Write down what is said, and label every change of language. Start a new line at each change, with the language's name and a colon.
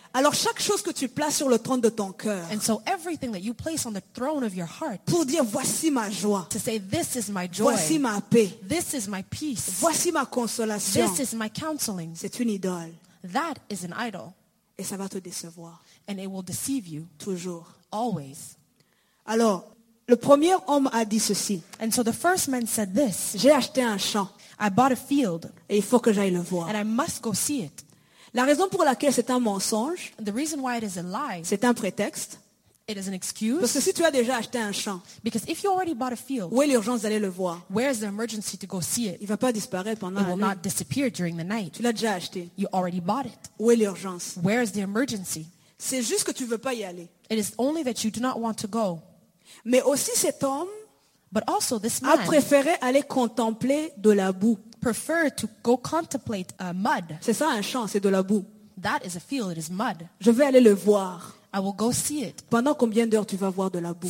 French: Alors chaque chose que tu places sur le trône de ton cœur,
English: and so everything that you place on the throne of your heart,
French: pour dire voici ma joie,
English: to say this is my joy,
French: voici ma paix,
English: this is my peace,
French: voici ma consolation,
English: this is my counseling,
French: c'est une idole.
English: That is an idol.
French: Et ça va te décevoir.
English: And it will deceive you.
French: Toujours.
English: Always.
French: Alors, le premier homme a dit ceci.
English: And so the first man said this.
French: J'ai acheté un champ.
English: I bought a field.
French: Et il faut que j'aille le voir.
English: And I must go see it.
French: La raison pour laquelle c'est un mensonge,
English: the reason why it is a lie,
French: c'est un prétexte.
English: It is an excuse.
French: Parce que si tu as déjà acheté un champ,
English: because if you already bought a field,
French: où est l'urgence d'aller le voir?
English: Where is the emergency to go see it?
French: Il ne va pas disparaître pendant
English: it
French: la nuit.
English: It will not disappear during the night.
French: Tu l'as déjà acheté.
English: You already bought it.
French: Où est l'urgence?
English: Where is the emergency?
French: C'est juste que tu ne veux pas y aller.
English: It is only that you do not want to go.
French: Mais aussi cet homme,
English: but also this
French: man, a préféré aller contempler de la boue.
English: Prefer to go contemplate mud.
French: C'est ça un champ, c'est de la boue.
English: That is a field, it is mud.
French: Je vais aller le voir.
English: I will go see it.
French: Pendant combien d'heures tu vas voir de la boue?